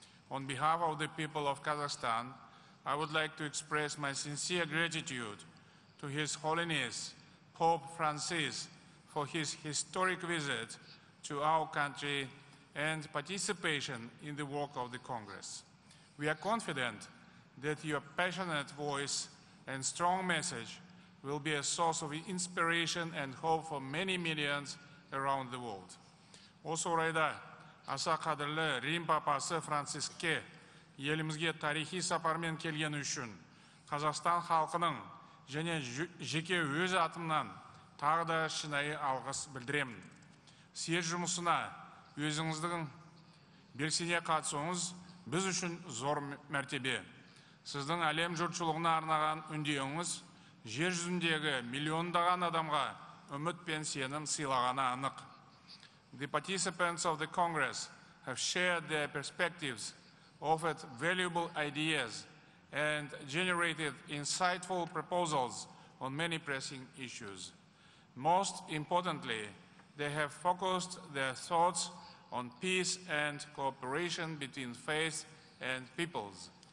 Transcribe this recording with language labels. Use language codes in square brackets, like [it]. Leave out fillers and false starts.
[en] On behalf of the people of Kazakhstan, I would like to express my sincere gratitude to His Holiness Pope Francis for his historic visit to our country and participation in the work of the Congress. We are confident that your passionate voice and strong message will be a source of inspiration and hope for many millions around the world. [kk] Also, Raida, аса қадірлі Рим папасы Франциске елімізге тарихи сапармен келгені үшін Қазақстан халқының және жеке өз атымнан тағы да шынайы алғыс білдіремін. Съезд жұмысына өзіңіздің белсене қатысуыңыз біз үшін зор мәртебе. Сіздің әлем жұртшылығына арнаған үндеуіңіз жер жүзіндегі миллиондаған адамға үміт пен сенім сыйлағаны анық. [en] The participants of the Congress have shared their perspectives, offered valuable ideas, and generated insightful proposals on many pressing issues. Most importantly, they have focused their thoughts on peace and cooperation between faiths and peoples.